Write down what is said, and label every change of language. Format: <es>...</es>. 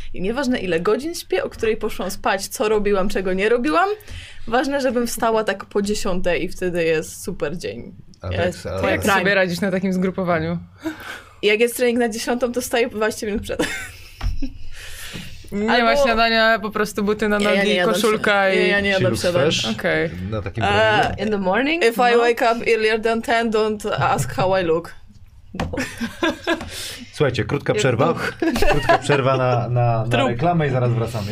<pl>I nieważne ile godzin śpię, o której poszłam spać, co robiłam, czego nie robiłam, ważne, żebym wstała tak po 10 i wtedy jest super dzień. To jak sobie radzisz na takim zgrupowaniu? Jak jest trening na 10, to staję 20 minut przed. Nie albo... ma śniadania, po prostu buty na nogi, koszulka i... Ja nie jadam śniadania. Okej. Na takim</pl> <en>in the morning? If no. I wake up earlier than 10, don't ask how I look.</en> <pl>Słuchajcie, krótka przerwa. Krótka przerwa na reklamę i zaraz wracamy.</pl>